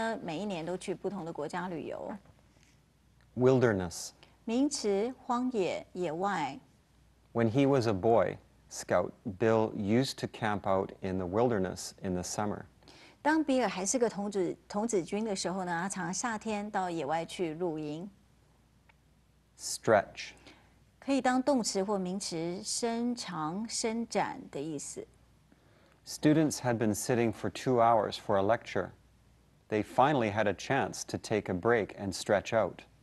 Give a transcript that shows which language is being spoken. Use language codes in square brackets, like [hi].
[zh] 我的父亲呢非常具有冒险家的精神，他喜欢呢每一年都去不同的国家旅游。 [en] Wilderness. [zh] 名词，荒野，野外。 [en] When he was a boy, Scout Bill used to camp out in the wilderness in the summer. [zh] 当比尔还是个童子军的时候呢，他常夏天到野外去露营。 [en] Stretch. [zh] 可以当动词或名词，伸长、伸展的意思。 [en] Students had been sitting for 2 hours for a lecture. They finally had a chance to take a break and stretch out.